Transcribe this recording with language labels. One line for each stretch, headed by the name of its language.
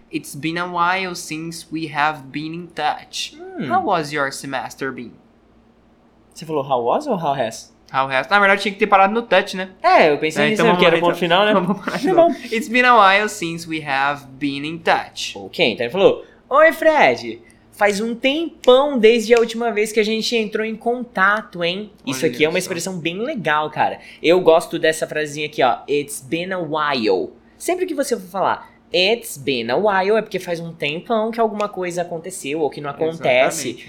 English: It's been a while since we have been in touch. How was your semester been?
Portuguese: Você falou
English: how was
Portuguese: ou
English: how has? How has?
Portuguese: Na verdade, tinha que ter parado no touch, né? É, eu pensei nisso, porque era o ponto final, né?
English: It's been a while since we have been in touch.
Portuguese: Ok, então ele falou, oi, Fred, faz um tempão desde a última vez que a gente entrou em contato, hein? Isso aqui é uma expressão bem legal, cara. Eu gosto dessa frasinha aqui, ó,
English: it's been a while.
Portuguese: Sempre que você for falar
English: it's been a while,
Portuguese: é porque faz um tempão que alguma coisa aconteceu ou que não acontece.